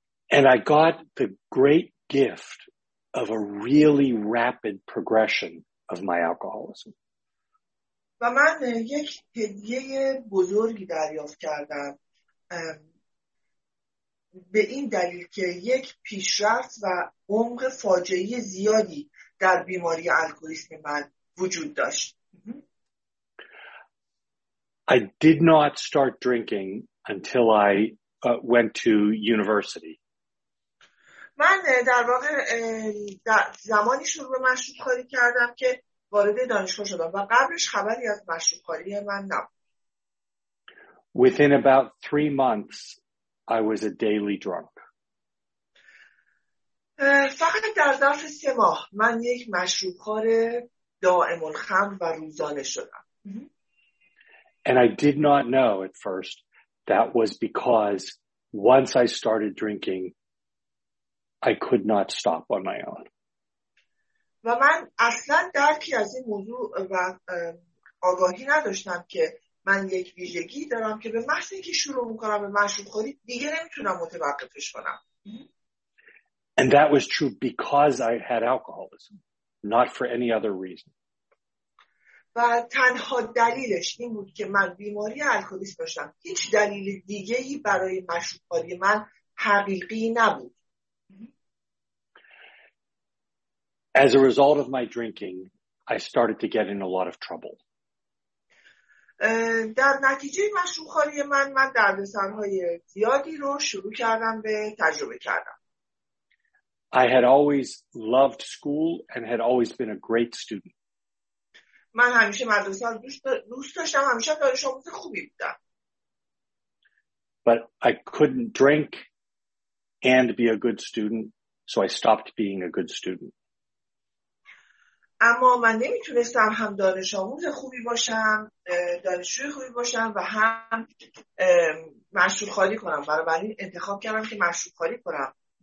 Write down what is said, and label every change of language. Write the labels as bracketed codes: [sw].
[en] And I got the great gift of a really rapid progression of my alcoholism. [fa] و من یک هدیه بزرگی دریافت کردم به این دلیل که یک پیشرفت و عمق فاجعه‌ای زیادی در بیماری الکلیسم من وجود داشت. [en] I did not start drinking until I went to university. [fa] من در واقع زمانی شروع به مشروب خوری کردم که وارد دانشگاه شدم و قبلش خبری از مشروب خوری من نبود. [en] Within about 3 months I was a daily drunk. [fa] فقط در ظرف 3 ماه من یک مشروب خور دائم الخمر و روزانه شدم. [en] And I did not know at first that was because once I started drinking, I could not stop on my own. [fa] و من اصلا درکی از این موضوع و آگاهی نداشتم که من یک ویژگی دارم که به محض اینکه شروع میکنم به مشروب خوری دیگه نمیتونم متوقفش کنم. [en] And that was true because I had alcoholism, not for any other reason. [fa] و تنها دلیلش این بود که من بیماری الکلیسم داشتم. هیچ دلیل دیگه‌ای برای مشروب خوری من حقیقی نبود. [en] As a result of my drinking, I started to get in a lot of trouble. [fa] در نتیجه مشروب خوری من دردسرهای زیادی رو شروع کردم به تجربه کردم. [en] I had always loved school and had always been a great student. [fa] من همیشه مدرسه رو دوست داشتم، همیشه دانش آموز خوبی بودم. [en] But I couldn't drink and be a good student, so I stopped being a good student. [fa] اما من نمیتونستم هم دانش آموز خوبی باشم، دانشجوی خوبی باشم و هم مشروب خوری کنم. بنابراین انتخاب کردم که مشروب خوری کنم.